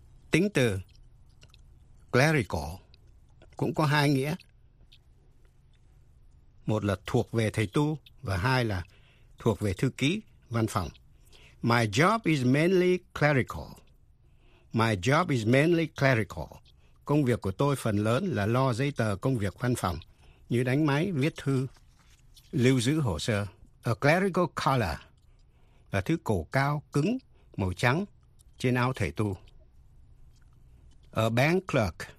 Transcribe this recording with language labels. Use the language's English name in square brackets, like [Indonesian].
[Vietnamese] Tính từ clerical cũng có hai nghĩa. Một là thuộc về thầy tu, và hai là thuộc về thư ký, văn phòng. [English] My job is mainly clerical. My job is mainly clerical. [Vietnamese] Công việc của tôi phần lớn là lo giấy tờ công việc văn phòng, như đánh máy, viết thư, lưu giữ hồ sơ. A clerical collar là thứ cổ cao, cứng, màu trắng trên áo thầy tu. A bank clerk